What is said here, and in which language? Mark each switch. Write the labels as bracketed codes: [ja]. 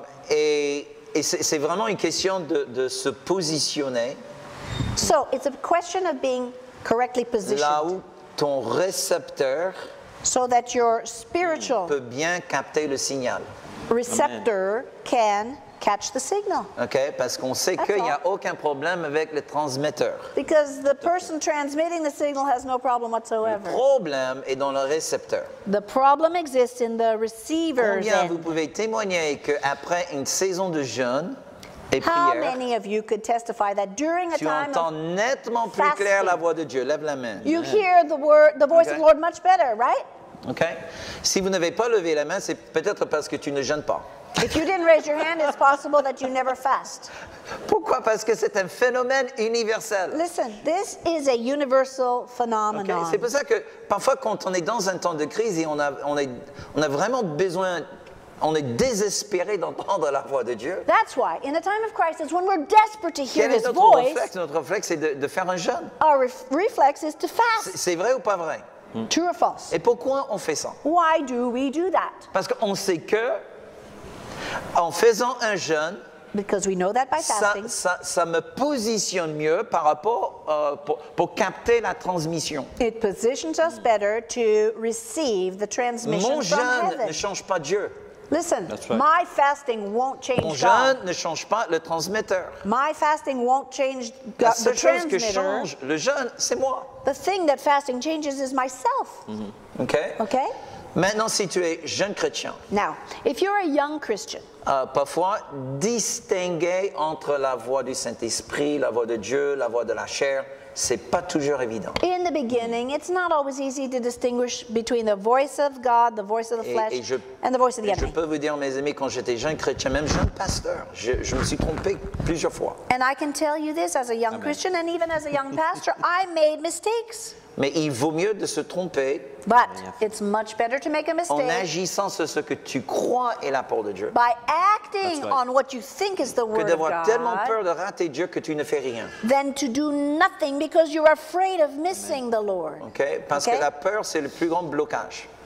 [fr] Et c'est vraiment une question de se positionner. [en] So, it's a question of being correctly positioned. [fr] Là où ton récepteur. [en] So that your spiritual [fr] peut bien capter le signal. [en] Receptor Amen. Can catch the signal. [fr] Okay, parce qu'on sait qu'il n'y a aucun problème avec le transmetteur. [en] Because the person transmitting the signal has no problem whatsoever. [fr] Le problème est dans le récepteur. [en] The problem exists in the receiver's end. [fr] Combien vous pouvez témoigner qu'après une saison de jeûne et prière, [en] how many of you could testify that during a time of fasting, [fr] tu entends nettement plus clair la voix de Dieu. Lève la main. [en] You hear the voice of the Lord much better, right? Okay. [fr] Si vous n'avez pas levé la main, c'est peut-être parce que tu ne jeûnes pas. [en] If you didn't raise your hand, it's possible that you never fast. [fr] Pourquoi? Parce que c'est un phénomène universel. [en] Listen, this is a universal phenomenon. [fr] Okay. C'est pour ça que parfois, quand on est dans un temps de crise, et on a vraiment besoin. On est désespéré d'entendre la voix de Dieu. [en] That's why, in a time of crisis, when we're desperate to hear His voice, [fr] notre réflexe est de faire un jeûne. [en] Our reflex is to fast. [fr] C'est vrai ou pas vrai? [en] True or false? [fr] Et pourquoi on fait ça? [en] Why do we do that? [fr] Parce qu'on sait que en faisant un jeûne, [en] because we know that by fasting, [fr] ça me positionne mieux par rapport pour capter la transmission. [en] It positions us better to receive the transmission heaven. [fr] Mon jeûne ne change pas Dieu. [en] Listen, right. My fasting won't change [fr] mon jeûne [en] God. [fr] Ne change pas le transmetteur. [en] My fasting won't change the transmitter. [fr] La seule chose que change le jeûne, c'est moi. [en] The thing that fasting changes is myself. Mm-hmm. Okay. Okay. [fr] Maintenant, si tu es jeune chrétien. [en] Now, if you're a young Christian. [fr] Parfois, distinguer entre la voix du Saint-Esprit, la voix de Dieu, la voix de la chair. C'est pas toujours évident. [en] In the beginning, it's not always easy to distinguish between the voice of God, the voice of the flesh, and the voice of the enemy. [fr] Je peux vous dire, mes amis, quand j'étais jeune chrétien, même jeune pasteur, je me suis trompé plusieurs fois. [en] And I can tell you this as a young Amen. Christian and even as a young pastor, I made mistakes. [fr] Mais il vaut mieux de se tromper. [en] But it's much better to make a mistake. [fr] En agissant sur ce que tu crois est la parole de Dieu. [en] By acting right. on what you think is the word of God. [fr] Que d'avoir tellement peur de rater Dieu que tu ne fais rien. [en] Then to do nothing because you're afraid of missing Amen. The Lord. [fr] Okay, parce okay? que la peur c'est le plus grand blocage.